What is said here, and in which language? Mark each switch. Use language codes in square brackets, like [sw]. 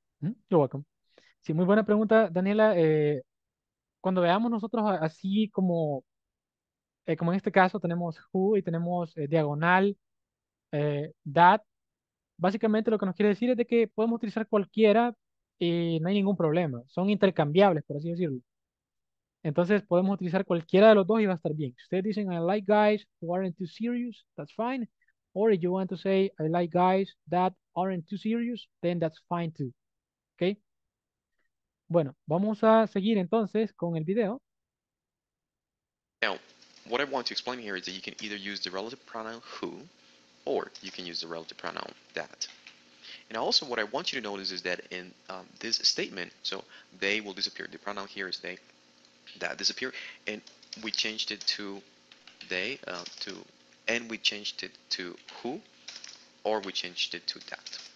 [en] You're welcome. [es] Sí, muy buena pregunta, Daniela. Cuando veamos nosotros así como, como en este caso, tenemos who y tenemos diagonal that, básicamente lo que nos quiere decir es de que podemos utilizar cualquiera y no hay ningún problema. Son intercambiables, por así decirlo. Entonces, podemos utilizar cualquiera de los dos y va a estar bien. Si ustedes dicen, [en] I like guys who aren't too serious, that's fine. Or if you want to say, I like guys that aren't too serious, then that's fine too. Okay? [es] Bueno, vamos a seguir entonces con el video. [en] Now, what I want to explain here is that you can either use the relative pronoun who, or you can use the relative pronoun that. And also what I want you to notice is that in this statement, so they will disappear. The pronoun here is they, that disappear. And we changed it to they, to, and we changed it to who, or we changed it to that.